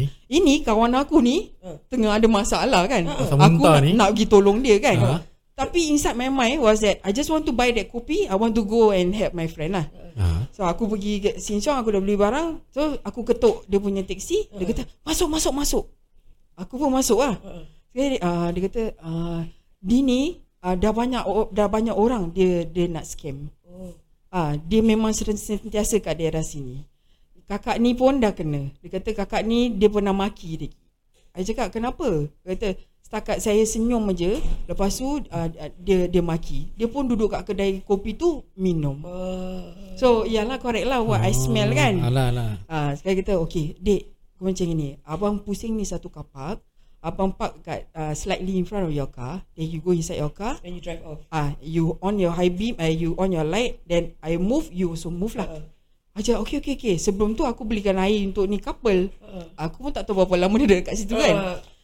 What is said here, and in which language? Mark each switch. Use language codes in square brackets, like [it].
[ms] Ini kawan aku ni tengah ada masalah kan. Aku nak pergi tolong dia kan. Tapi [en] inside my mind was that I just want to buy that kopi. I want to go and help my friend lah. [ms] So aku pergi Sheng Siong, aku dah beli barang. So aku ketuk dia punya taksi. Dia kata, masuk. Aku pun masuk lah. Dia kata, Dini dah banyak orang dia nak scam. Dia memang sentiasa kat daerah sini. Kakak ni pun dah kena. Dia kata kakak ni dia pernah maki dia. Dia cakap, kenapa? Dia kata, setakat saya senyum aja, lepas tu dia maki. Dia pun duduk kat kedai kopi tu minum. So iyalah, [en] correct lah what I smell [ms] kan. Sekarang kita, okay dek, kau macam ni, abang pusing ni satu kapak, abang park kat [en] slightly in front of your car, then you go inside your car, then you drive off. You on your high beam, you on your light, then I move, you also move lah. [ms] Aja, okay. Sebelum tu aku belikan air untuk ni couple. Aku pun tak tahu berapa lama dia dekat situ kan.